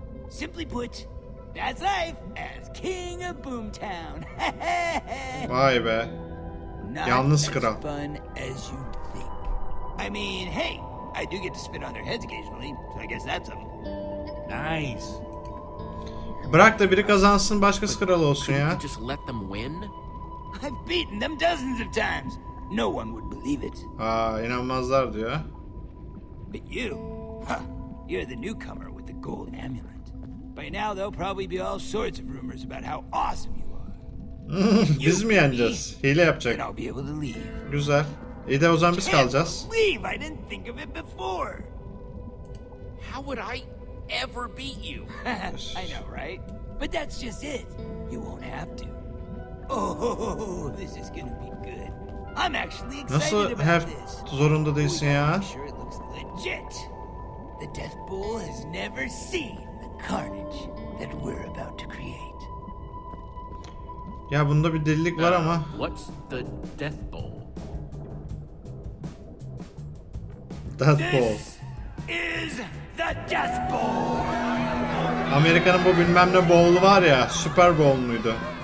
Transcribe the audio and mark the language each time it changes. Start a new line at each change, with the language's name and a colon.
English: Simply put, that's life as king of Boomtown.
Turkish: Vay be. Yalnız kral.
English: Not as fun as you'd think. I mean, hey, I do get to spit on their heads occasionally, so I guess that's something. Nice.
Turkish: Bırak da biri kazansın, başkası kral olsun ya.
English: Just let them win. I've beaten them dozens of times. No one would believe it.
Turkish: Aa, inanmazlar diyor.
English: But you, you're the newcomer with the gold amulet. By now there'll probably be all sorts of rumors about how awesome you are.
Turkish: Biz mi yeneceğiz? Hile yapacak.
English: I'll be able to leave.
Turkish: Güzel. İyi de o zaman biz kalacağız.
English: Leave. I didn't think of it before. How would I ever beat you? I know, right? But that's just it. You won't have to. Oh, this is gonna be good. I'm actually excited about this.
Turkish: Nasıl have zorunda değilsin ya?
English: Sure it looks legit. The Death Bowl has never seen. Carnage that we're about to create.
Turkish: Ya bunda bir delilik var ama.
English: What's the Death Bowl? Death Bowl. This is the Death Bowl.
Turkish: Amerika'nın bu bilmem ne bowl'u var ya, Super Bowl muydu?